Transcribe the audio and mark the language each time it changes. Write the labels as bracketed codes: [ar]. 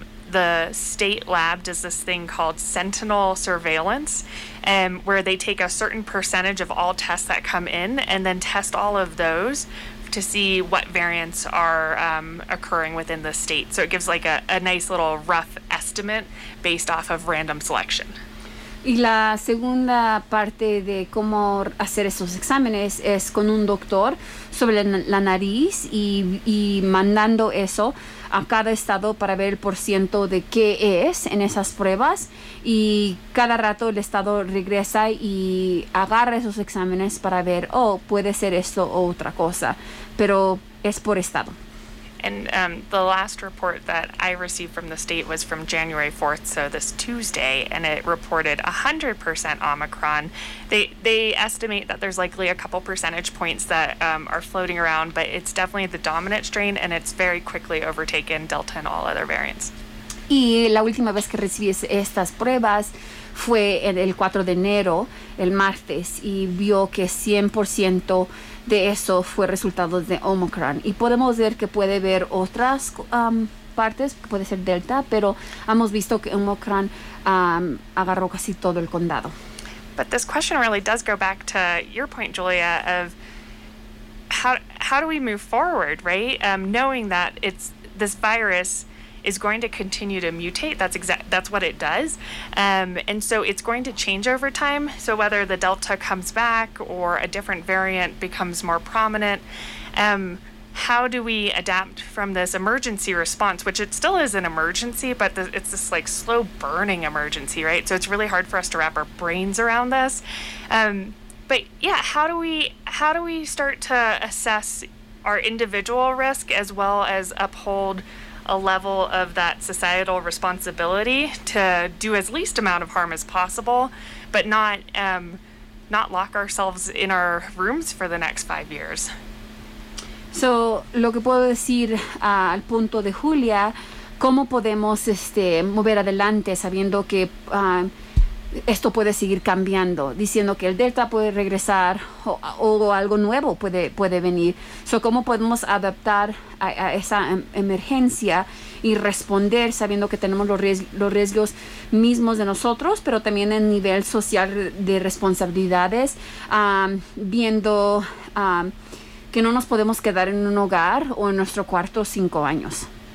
[en] The state lab does this thing called sentinel surveillance, where they take a certain percentage of all tests that come in and then test all of those to see what variants are occurring within the state. So it gives like a nice little rough estimate based off of random selection. [es] Y la segunda parte de cómo hacer esos exámenes es con un doctor sobre la nariz y mandando eso a cada estado para ver el porciento de qué es en esas pruebas. Y cada rato el estado regresa y agarra esos exámenes para ver, oh, puede ser esto o otra cosa. Pero es por estado. [en] And the last report that I received from the state was from January 4th, so this Tuesday, and it reported 100% Omicron. They estimate that there's likely a couple percentage points that are floating around, but it's definitely the dominant strain, and it's very quickly overtaken Delta and all other variants. [es] Y la última vez que recibí estas pruebas fue en el 4 de enero, el martes, y vio que 100% de eso fue resultado de Omicron. Y podemos ver que puede haber otras partes, puede ser Delta, pero hemos visto que Omicron agarró casi todo el condado. [en] But this question really does go back to your point, Julia, of how do we move forward, right? Knowing that it's this virus is going to continue to mutate. That's what it does. And so it's going to change over time. So whether the Delta comes back or a different variant becomes more prominent, how do we adapt from this emergency response, which it still is an emergency, but it's this like slow burning emergency, right? So it's really hard for us to wrap our brains around this. But yeah, how do we start to assess our individual risk as well as uphold a level of that societal responsibility to do as least amount of harm as possible, but not not lock ourselves in our rooms for the next 5 years. [es] So, lo que puedo decir al punto de Julia, ¿cómo podemos mover adelante sabiendo que esto puede seguir cambiando, diciendo que el Delta puede regresar o algo nuevo puede venir? So, ¿cómo podemos adaptar a esa emergencia y responder sabiendo que tenemos los riesgos mismos de nosotros, pero también el nivel social de responsabilidades, viendo que no nos podemos quedar en un hogar o en nuestro cuarto 5 años?